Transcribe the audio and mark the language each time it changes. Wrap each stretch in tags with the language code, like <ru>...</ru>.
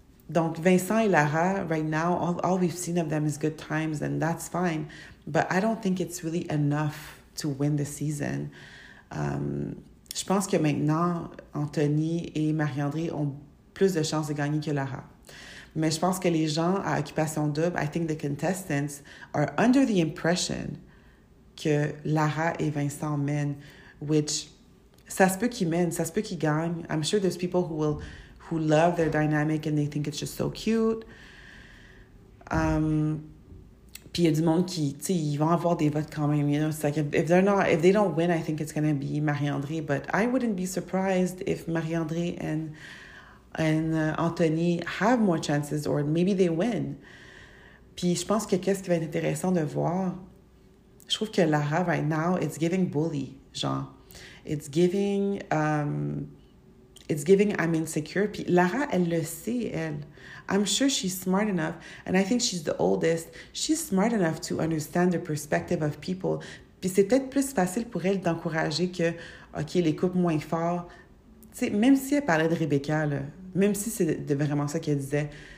<en>Donc, Vincent et Lara, right now, all we've seen of them is good times, and that's fine. But I don't think it's really enough to win the season.</en> <fr>Je pense que maintenant, Anthony et Marie-André ont plus de chances de gagner que Lara. Mais je pense que les gens à occupation double,</fr> <en>I think the contestants are under the impression</en> <fr>que Lara et Vincent mènent, which, ça se peut qu'ils mènent, ça se peut qu'ils gagnent.</fr> <en>I'm sure there's people who love their dynamic and they think it's just so cute.</en> <fr>Puis il y a du monde qui, tu sais, ils vont avoir des votes quand même.</fr> <en>You know, it's like if they don't win, I think it's gonna be Marie-André. But I wouldn't be surprised if Marie-André and Anthony have more chances or maybe they win.</en> <fr>Puis je pense que qu'est-ce qui va être intéressant de voir, je trouve que Lara</fr> <en>right now it's giving bully,</en> <fr>genre,</fr> <en>it's giving I'm insecure.</en> <fr>Puis Lara, elle le sait, elle.</fr> <en>I'm sure she's smart enough, and I think she's the oldest. She's smart enough to understand the perspective of people.</en> <fr>Puis c'est peut-être plus facile pour elle d'encourager que, OK, les couples moins forts. Tu sais, même si elle parlait de Rebecca, là, même si c'est vraiment ça qu'elle disait.</fr>